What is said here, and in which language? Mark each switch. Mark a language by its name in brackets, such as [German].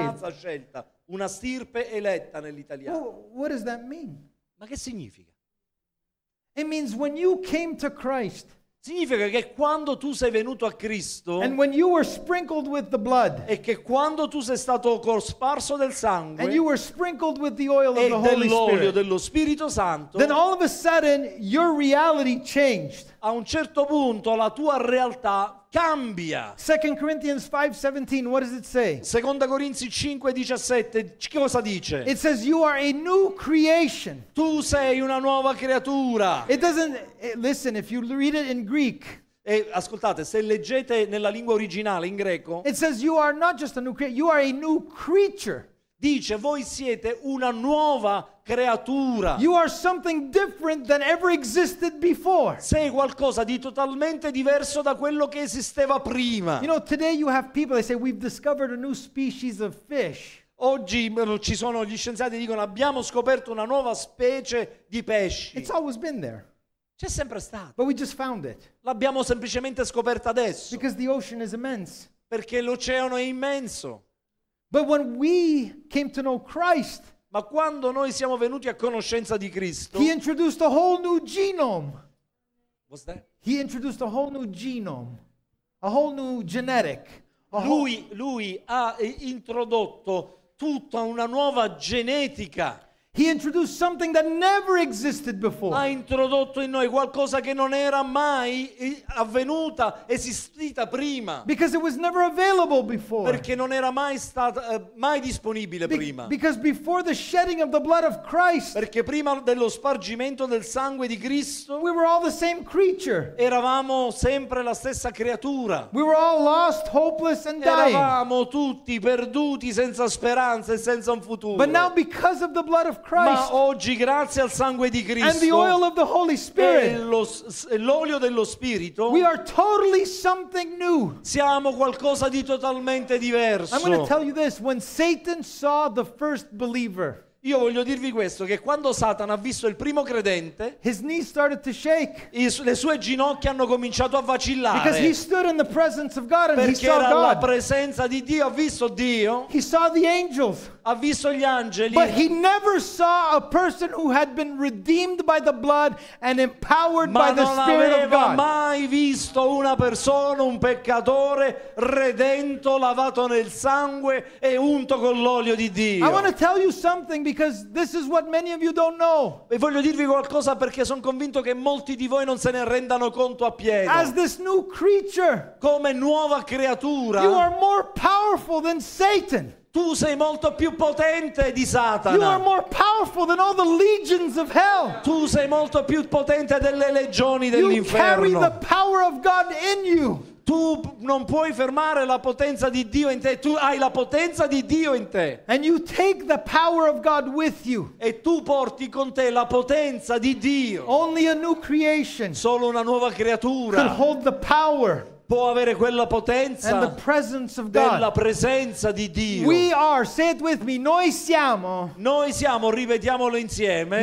[Italian] Una razza scelta, una stirpe eletta nell'italiano. [English] Well, what does that mean? [Italian] Ma che significa? [English] It means when you came to Christ. [Italian] Significa che quando tu sei venuto a Cristo. [English] And when you were sprinkled with the blood. [Italian] E che quando tu sei stato cosparso del sangue. [English] And you were sprinkled with the oil of the Holy Spirit. [Italian] E dell'olio dello Spirito Santo. [English] Then all of a sudden your reality changed. [Italian] A un certo punto la tua realtà cambia. [English] 2 Corinthians 5:17, what does it say? [Italian] 2 Corinzi 5:17, cosa dice? [English] It says you are a new creation. [Italian] Tu sei una nuova creatura. [English] It doesn't listen if you read it in Greek. [Italian] E ascoltate, se leggete nella lingua originale in greco. [English] It says you are not just a new creation, you are a new creature. [Italian] Dice voi siete una nuova creatura. [English] You are something different than ever existed before. [Italian] Sei qualcosa di totalmente diverso da quello che esisteva prima. [English] You know, today you have people they say we've discovered a new species of fish. [Italian] Oggi ci sono gli scienziati dicono abbiamo scoperto una nuova specie di pesci. [English] It's always been there. [Italian] C'è sempre stato. [English] But we just found it. [Italian] L'abbiamo semplicemente scoperta adesso. [English] Because the ocean is immense. [Italian] perché l'oceano è immenso. [English] But when we came to know Christ, [Italian] ma quando noi siamo venuti a conoscenza di Cristo, [English] he introduced a whole new genome. What's that? He introduced a whole new genome, a whole new genetic. [Italian] Lui ha introdotto tutta una nuova genetica. [English] He introduced something that never existed before. [Italian] Ha introdotto in noi qualcosa che non era mai avvenuta, esistita prima. [English] Because it was never available before. [Italian] Perché non era mai stata mai disponibile prima. [English] Because before the shedding of the blood of Christ. [Italian] Perché prima dello spargimento del sangue di Cristo. [English] We were all the same creature. [Italian] Eravamo sempre la stessa creatura. [English] We were all lost, hopeless and dying. [Italian] Eravamo tutti perduti, senza speranza e senza un futuro. [English] But now because of the blood of Christ, [Italian] ma oggi grazie al sangue di Cristo [English] and the oil of the Holy Spirit, [Italian] e l'olio dello Spirito, [English] we are totally something new. [Italian] Siamo qualcosa di totalmente diverso. [English] I'm going to tell you this: when Satan saw the first believer, [Italian] io voglio dirvi questo, che quando Satana ha visto il primo credente, [English] his knees started to shake, [Italian] le sue ginocchia hanno cominciato a vacillare, [English] because he stood in the presence of God and he saw God. [Italian] Perché era la presenza di Dio, ha visto Dio. [English] He saw the angels. [Italian] Ha visto gli angeli. [English] But he never saw a person who had been redeemed by the blood and empowered by the Spirit of God. [Italian] Ma non aveva mai visto una persona, un peccatore redento, lavato nel sangue e unto con l'olio di Dio. [English] I want to tell you something because this is what many of you don't know. [Italian] E voglio dirvi qualcosa perché sono convinto che molti di voi non se ne rendano conto appieno. [English] As this new creature, [Italian] come nuova creatura, [English] you are more powerful than Satan. [Italian] Tu sei molto più potente di Satana. [English] You are more powerful than all the legions of hell. [Italian] Tu sei molto più potente delle legioni dell'inferno. [English] You carry the power of God in you. [Italian] Tu non puoi fermare la potenza di Dio in te. Tu hai la potenza di Dio in te. [English] And you take the power of God with you. [Italian] E tu porti con te la potenza di Dio. [English] Only a new creation. [Italian] Solo una nuova creatura. [English] Can hold the power. [Italian] Può avere quella potenza [English] and the presence of God. [Italian] Della presenza di Dio. [English] We are, say it with me, [Italian] noi siamo, ripetiamolo insieme,